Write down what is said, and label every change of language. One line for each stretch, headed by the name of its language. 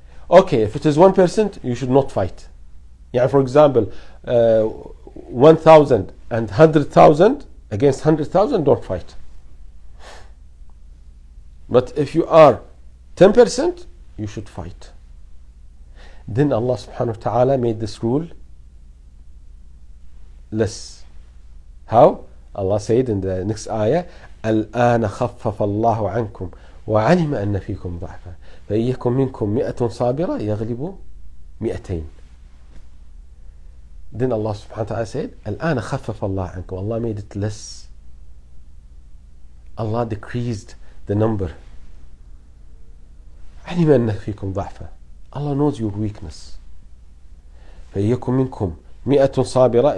English: Okay, if it is 1%, you should not fight. Yeah, for example, 1,000 and 100,000 against 100,000, don't fight. But if you are 10%, you should fight. Then Allah subhanahu wa ta'ala made this rule less. How? Allah said in the next ayah,
Arabic: الْآنَ خَفَّفَ اللَّهُ عَنْكُمْ وَعَلِمَ أَنَّ فِيكُمْ ضَعْفًا فَإِيَّكُمْ مِنْكُمْ مِئَةٌ صَابِرَةٌ يَغْلِبُوا مِئَتَيْنَ.
English: Then Allah subhanahu wa ta'ala said,
Arabic: الْآنَ خَفَّفَ اللَّهُ عَنْكُمْ.
English: Allah made it less. Allah decreased the number.
Arabic: عَلِمَ أَنَّ فِيكُمْ ضَعْفًا.
English: Allah knows your weakness.
Arabic: فَإِيَّكُمْ مِنْكُمْ مِئَةٌ صَابِرَةٌ.